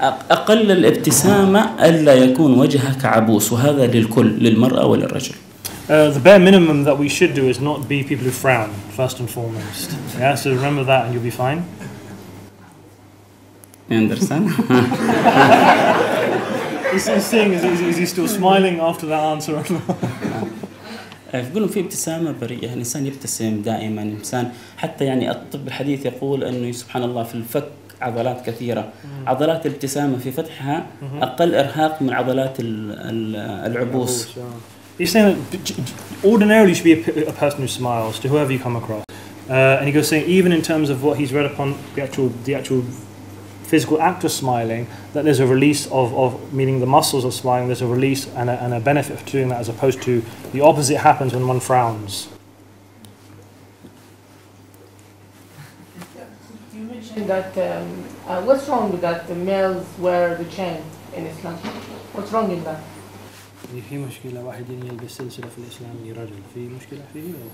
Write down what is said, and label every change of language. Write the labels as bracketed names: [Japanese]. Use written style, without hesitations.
[Arabic] أقل الابتسامة ألا يكون وجهك عبوس وهذا للكل للمرأة وللرجل. [English] The bare minimum that we should do is not be people who frown, first and foremost. Yeah, so remember that and you'll be fine. You understand? This is thing, is he still smiling after that answer or not? [Arabic] يقولون في ابتسامة بريئة الإنسان يبتسم دائما الإنسان حتى يعني الطب الحديث يقول أنه سبحان الله في الفك عضلات كثيرة عضلات الابتسامة في فتحها أقل إرهاق من عضلات العبوس [English] He's saying that ordinarily you should be a person who smiles to whoever you come across. And he goes saying even in terms of what he's read upon the actual physical act of smiling, that there's a release of meaning the muscles of smiling, there's a release and a benefit of doing that as opposed to the opposite happens when one frowns. You mentioned that what's wrong with that the males wear the chain in Islam? What's wrong in that? [Arabic] في مشكلة واحد يلبس سلسلة في الإسلام لرجل في مشكلة فيه